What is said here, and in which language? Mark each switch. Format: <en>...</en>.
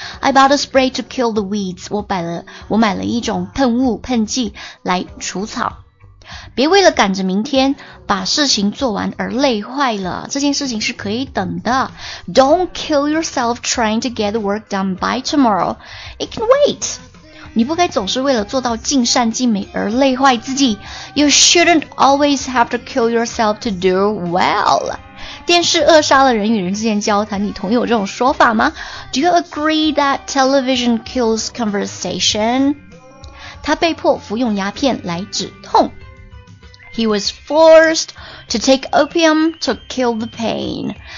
<en>I bought a spray to kill the weeds。</en> <zh>我买了一种喷雾喷剂来除草。别为了赶着明天把事情做完而累坏了，这件事情是可以等的。</zh> <en>Don't kill yourself trying to get the work done by tomorrow. It can wait.</en> <zh>你不该总是为了做到尽善尽美而累坏自己。</zh> <en>You shouldn't always have to kill yourself to do well.</en> <zh>电视扼杀了人与人之间交谈，你同意我这种说法吗？</zh> <en>Do you agree that television kills conversation?</en> <zh>他被迫服用鸦片来止痛。</zh> <en>He was forced to take opium to kill the pain.</en>